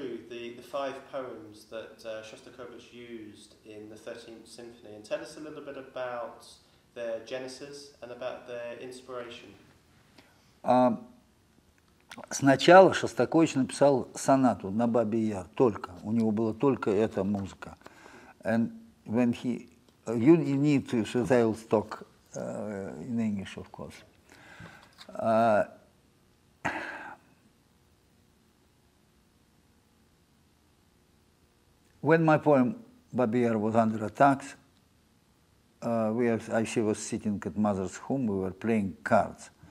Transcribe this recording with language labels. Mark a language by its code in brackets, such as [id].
[en] the five poems that Shostakovich used in the 13th Symphony, and tell us a little bit about their genesis and about their inspiration. [ru] Сначала Шостакович написал сонату на Бабий Яр, только. У него была только эта музыка. [en] And when he... You need to... So they will talk in English, of course. When my poem Бабий Яр was under attacks, she was sitting at mother's home, we were playing cards.